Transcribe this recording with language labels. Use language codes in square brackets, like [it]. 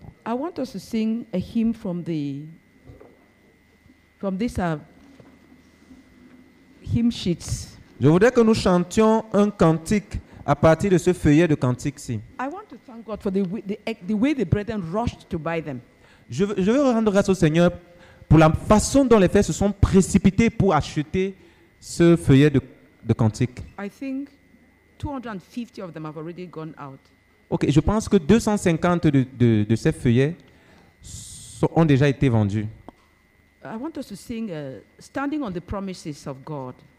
[en] I want us to sing a hymn from this hymn sheets. [fr] Je voudrais que nous chantions un cantique à partir de ce feuillet de cantique-ci. [en] I want to thank God for the way the brethren rushed to buy them. [fr] Je veux rendre grâce au Seigneur pour la façon dont les frères se sont précipités pour acheter ce feuillet de cantique. [en] I think 250 of them have already gone out. [fr] Ok, je pense que 250 de ces feuillets ont déjà été vendus. [en] I want us to sing, Standing on the Promises of God.